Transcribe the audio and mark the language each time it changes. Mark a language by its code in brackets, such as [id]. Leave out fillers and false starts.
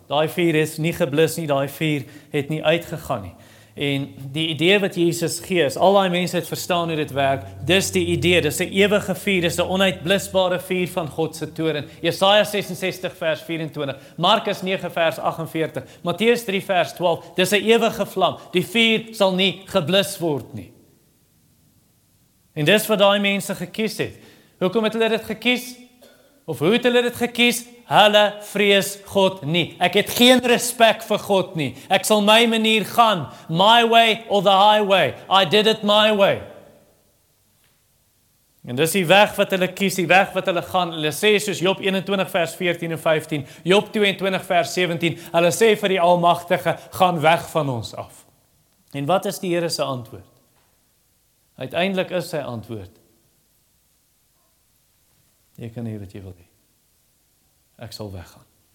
[af] Daai vuur is nie geblus nie, daai vuur het nie uitgegaan nie. En die idee wat Jesus gee is, al die mense het verstaan hoe dit werk, dis die idee, dis die ewige vuur, dis die onuitblusbare vuur van God se toren. Jesaja 66 vers 24, Markus 9 vers 48, Matteus 3 vers 12, dis die ewige vlam, die vuur sal nie geblus word nie. En dis wat die mense gekies het. Hoekom het hulle dit gekies? Of hoe het hulle dit gekies? Hulle vrees God nie. Ek het geen respect vir God nie. Ek sal my manier gaan. [en] My way or the highway. I did it my way. [af] En dis die weg wat hulle kies, die weg wat hulle gaan. Hulle sê soos Job 21 vers 14 en 15, Job 22 vers 17, hulle sê vir die Almagtige, gaan weg van ons af. En wat is die Here se antwoord? Uiteindelik is sy antwoord, jy kan hê wat jy wil hê. Ek sal weggaan.